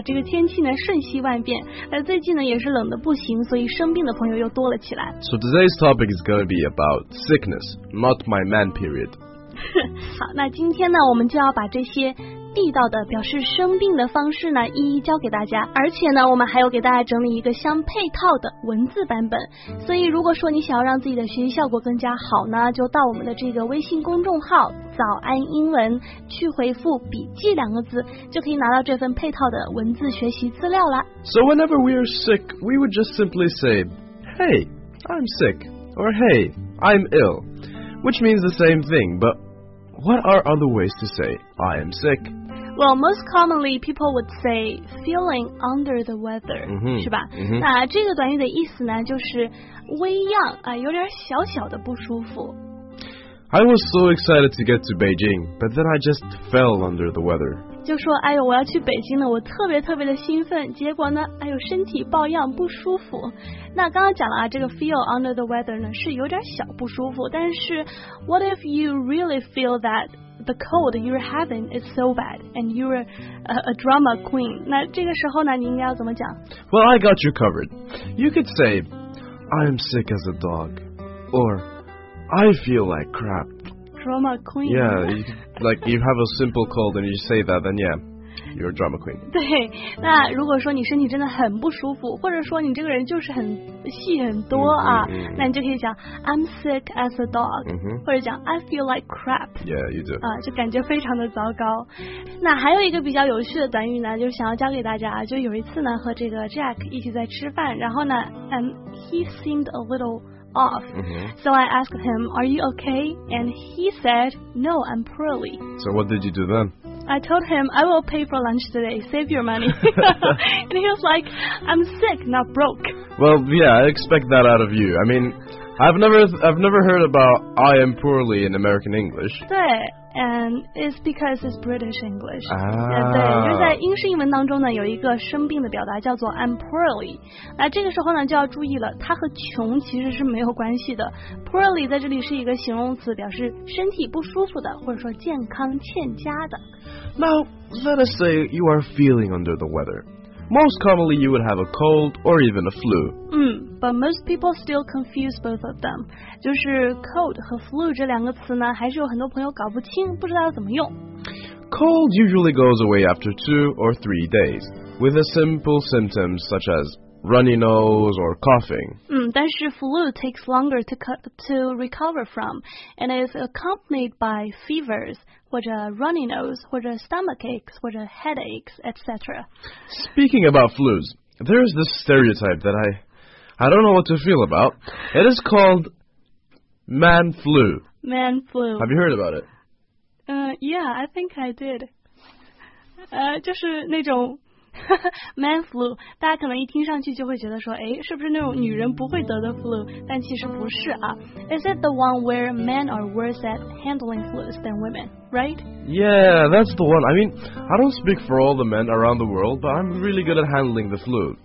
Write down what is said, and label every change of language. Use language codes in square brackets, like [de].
[zh] 这个天气呢瞬息万变，而最近呢也是冷得不行，所以生病的朋友又多了起来。 [en] So today's topic is going to be about sickness, not my man period. [zh] 好，那今天呢我们就要把这些地道的表示生病的方式呢一一教给大家，而且呢我们还有给大家整理一个相配套的文字版本，所以如果说你想要让自己的学习效果更加好呢，就到我们的这个微信公众号早安英文去回复笔记两个字，就可以拿到这份配套的文字学习资料了。 [en] So whenever we are sick, we would just simply say, Hey, I'm sick, or Hey, I'm ill, which means the same thing, butWhat are other ways to say, I am sick? Well, most commonly, people would say, feeling under the weather,、 mm-hmm. [zh] 是吧、 mm-hmm. 那这个短语的意思呢就是微恙、有点小小的不舒服。 [en] I was so excited to get to Beijing, but then I just fell under the weather. [zh] 就说哎呦我要去北京了，我特别特别的兴奋，结果呢哎呦身体抱恙不舒服。那刚刚讲了啊，这个 feel under the weather 呢是有点小不舒服，但是 [en] what if you really feel that the cold you're having is so bad and you're a drama queen? [zh] 那这个时候呢你应该要怎么讲？ [en] Well, I got you covered. You could say, I'm sick as a dog, or... I feel like crap. Drama queen. Yeah, like you have a simple cold and you say that, then yeah, you're a drama queen. [zh] 对，那如果说你身体真的很不舒服，或者说你这个人就是很戏很多啊， mm-hmm. 那你就可以讲 [en] I'm sick as a dog,、 mm-hmm. [zh] 或者讲 [en] I feel like crap. Yeah, you do. [zh] 啊，就感觉非常的糟糕。那还有一个比较有趣的短语呢，就是想要教给大家啊，就有一次呢和这个 Jack 一起在吃饭，然后呢 ， [en] and he seemed a little. off. Mm-hmm. So I asked him, are you okay? And he said, no, I'm poorly. So what did you do then? I told him, I will pay for lunch today. Save your money. And he was like, I'm sick, not broke. Well, yeah, I expect that out of you. I mean, I've never heard about I am poorly in American English. [zh] 对。 [en] And it's because it's British English. Ah. [zh] 对，就在英式英文当中呢，有一个生病的表达叫做 [en] I'm poorly. [zh] 那这个时候呢，就要注意了，它和穷其实是没有关系的。 Poorly 在这里是一个形容词，表示身体不舒服的，或者说健康欠佳的。 [en] Now, let us say you are feeling under the weather. Most commonly, you would have a cold or even a flu. But most people still confuse both of them. [zh] 就是 cold 和 flu 这两个词呢，还是有很多朋友搞不清，不知道怎么用。 [en] Cold usually goes away after 2 or 3 days, with a simple symptoms such as runny nose or coughing. [zh] 但是 [en] flu takes longer to recover from, and is accompanied by fevers, [zh] 或者 [en] runny nose, 或者 stomach aches, 或者 headaches, etc. Speaking about flus, there is this stereotype that I don't know what to feel about. It is called man flu. Man flu. Have you heard about it? Yeah, I think I did. [zh] 就是那种 [en] man flu. [zh] 大家可能一听上去就会觉得说，哎，是不是那种女人不会得的 flu? 但其实不是啊。 [en] Is it the one where men are worse at handling flus than women, right? Yeah, that's the one. I mean, I don't speak for all the men around the world, but I'm really good at handling the flu.